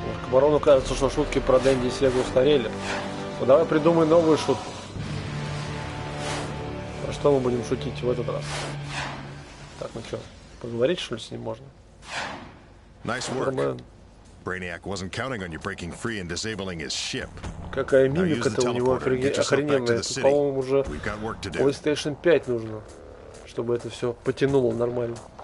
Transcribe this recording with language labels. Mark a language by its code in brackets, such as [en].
[ru] Барону кажется, что шутки про Дэнди и Сегу устарели. Ну давай придумай новую шутку. Про что мы будем шутить в этот раз? Так, ну что, поговорить что ли с ним можно? [en] Nice work. Brainiac wasn't counting on you breaking free and disabling his ship. [ru] Какая мимика-то у него охрененная. По-моему, уже PlayStation 5 нужно, чтобы это все потянуло нормально.